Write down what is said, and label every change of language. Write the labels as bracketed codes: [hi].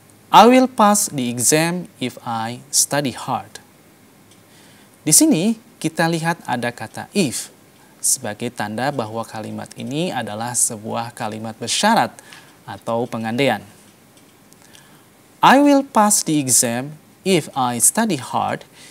[en] I will pass the exam if I study hard. [id] Di sini kita lihat ada kata if sebagai tanda bahwa kalimat ini adalah sebuah kalimat bersyarat atau pengandaian. [en] I will pass the exam if I study hard.